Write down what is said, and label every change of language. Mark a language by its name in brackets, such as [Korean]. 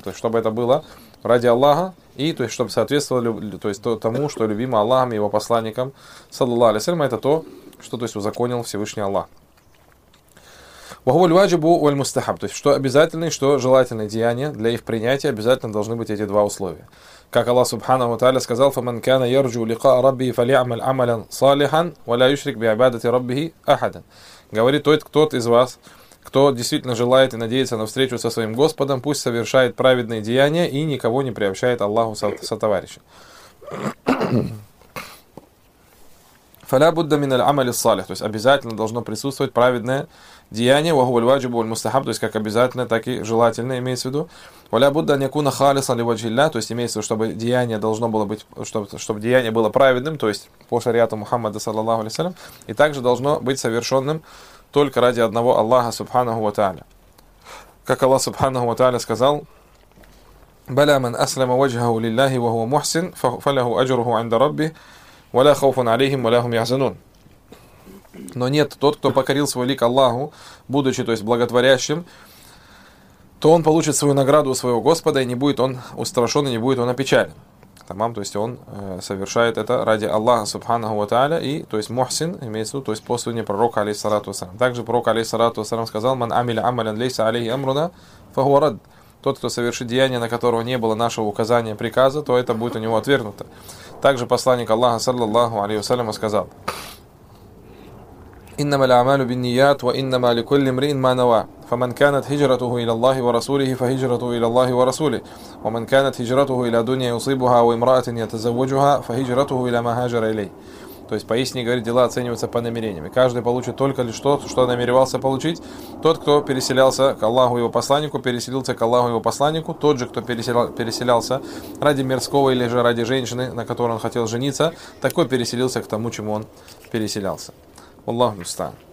[Russian] То есть чтобы это было ради Аллаха, и то есть чтобы соответствовало то есть, тому, что любимо Аллахом и его посланником, саллаллаху алейхи ва саллям, это то, что то есть, узаконил Всевышний Аллах. То есть, что обязательное, что желательное деяние, для их принятия обязательно должны быть эти два условия. Как Аллах Субханаху ва Тааля сказал, [Arabic] فَمَنْ كَانَ يَرْجُوا لِقَاءَ رَبِّهِ فَلْيَعْمَلْ عَمَلًا صَالِحًا وَلَا يُشْرِكْ بِعْبَادَةِ رَبِّهِ أَحَدًا. [Russian] Говорит, тот, кто из вас, кто действительно желает и надеется на встречу со своим Господом, пусть совершает праведные деяния и никого не приобщает Аллаху сотоварища. [Arabic] فَلَا بُدَّ مِنَ الْعَمَلِ الصَّالِحِ. [Russian] То есть обязательно должно присутствовать праведное деяние, [Arabic] وَهُوَ الْوَاجِبُ وَالْمُسْتَحَبُ. [Russian] То есть как обязательно, так и желательно, имеется в виду. [Arabic] وَلَا بُدَّ أَنْ يَكُونَ خَالِصًا لِوَجْهِ اللَّهِ. [Russian] То есть имеется в виду, чтобы деяние должно было быть, чтобы деяние было праведным, то есть по шариату Мухаммада, саллаллаху алейхи ва саллям, и также должно быть совершенным только ради одного Аллаха, субханаху ва тааля. Как Аллах, субханаху ва тааля, сказал, [Arabic] بَلَا مَنْ أَسْلَمَ وَجْهَهُ لِلَّهِ وَهُوَ مُحْسِنٌ فَلَهُ أَجْرُهُ عِنْدَ رَبِّهِ وَلَا خَوْفٌ عَلَيْهِمْ وَلَا هُمْ يَحْزَنُونَ. [Russian] Но нет, тот, кто покорил свой лик Аллаху, будучи, то есть, благотворящим, то он получит свою награду у своего Господа, и не будет он устрашен, и не будет он опечален. Тамам, то есть, он совершает это ради Аллаха, субханаху ва тааля, и, то есть, мухсин, имеется в виду, то есть, по сути, пророка, алейхиссалату ва салям. Также пророк, алейхиссалату ва салям, сказал, [Arabic] «Ман амиля амалян лейса алейхи амруна, фахуа рад». [Russian] Тот, кто совершит деяние, на которого не было нашего указания, приказа, то это будет у него отвергнуто. Также посланник Аллаха, саллаллаху алейхи ва саллям, сказал, [Arabic] إنما الأعمال بالنيات وإنما لكل امرئ ما نوى فمن كانت هجرته إلى الله ورسوله فهجرته إلى الله ورسوله ومن كانت هجرته إلى دنيا يصيبها وامرأة يتزوجها فهجرته إلى ما هاجر إليه. [Russian] То есть поистине, говорит, дела оцениваются по намерениям. И каждый получит только лишь то, что намеревался получить. Тот, кто переселялся к Аллаху и его посланнику, переселился к Аллаху и его посланнику. Тот же, кто переселялся ради мирского или же ради женщины, на которой он хотел жениться, такой переселился к тому, чему он переселялся. Аллаху мустан.